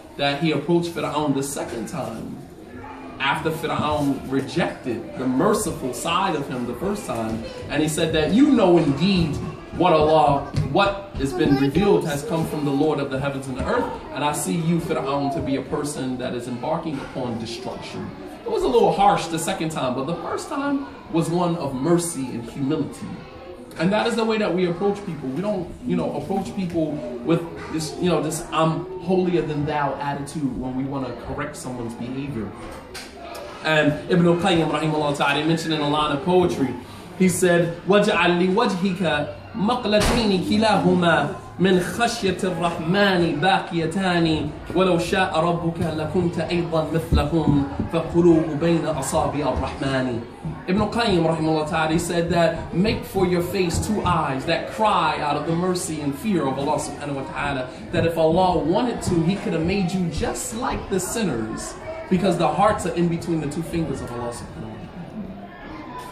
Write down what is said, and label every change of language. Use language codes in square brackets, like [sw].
[en] That he approached Fir'aun the second time after Fir'aun rejected the merciful side of him the first time, and he said that you know indeed what has been revealed has come from the Lord of the heavens and the earth, and I see you, Fir'aun, to be a person that is embarking upon destruction. It was a little harsh the second time, but the first time was one of mercy and humility. And that is the way that we approach people. We don't, you know, approach people with this, you know, this I'm holier than thou attitude when we want to correct someone's behavior. And Ibn Qayyim, rahimahullah ta'ala, mentioned in a line of poetry, he said, [ar] وَجْعَلْ لِوَجْهِكَ مَقْلَتَيْنِ كِلَاهُمَا مِنْ خَشْيَةِ الرَّحْمَنِ بَاقِيَتَانِ وَلَوْ شَاءَ رَبُّكَ لَكُنْتَ أَيْضًا مِثْلَهُمْ فَقُلُوبُ بَيْنَ أَصَابِعَ الرَّحْمَنِ. [en] Ibn Qayyim rahimahullah ta'ala, he said that make for your face two eyes that cry out of the mercy and fear of Allah subhanahu wa ta'ala, that if Allah wanted to, He could have made you just like the sinners because the hearts are in between the two fingers of Allah subhanahu wa ta'ala.